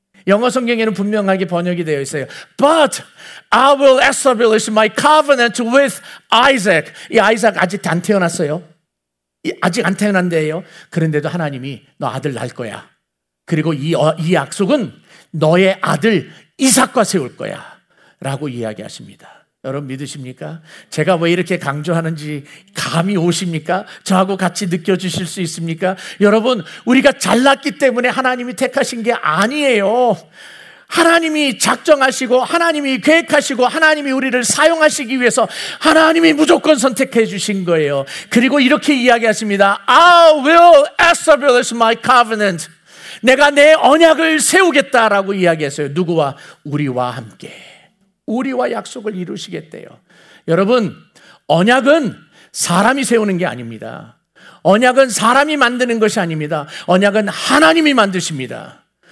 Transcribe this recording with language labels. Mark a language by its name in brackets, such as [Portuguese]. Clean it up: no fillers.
[Korean] 영어 성경에는 분명하게 번역이 되어 있어요. [English] But I will establish my covenant with Isaac. [Korean] 이 아이삭 아직 안 태어났어요. 아직 안 태어난대요. 그런데도 하나님이 너 아들 낳을 거야. 그리고 이 약속은 너의 아들 이삭과 세울 거야 라고 이야기하십니다. 여러분 믿으십니까? 제가 왜 이렇게 강조하는지 감이 오십니까? 저하고 같이 느껴지실 수 있습니까? 여러분 우리가 잘났기 때문에 하나님이 택하신 게 아니에요. 하나님이 작정하시고 하나님이 계획하시고 하나님이 우리를 사용하시기 위해서 하나님이 무조건 선택해 주신 거예요. 그리고 이렇게 이야기하십니다. [English] I will establish my covenant. [Korean] 내가 내 언약을 세우겠다라고 이야기했어요. 누구와? 우리와 함께. 우리와 약속을 이루시겠대요. 여러분 언약은 사람이 세우는 게 아닙니다. 언약은 사람이 만드는 것이 아닙니다. 언약은 하나님이 만드십니다.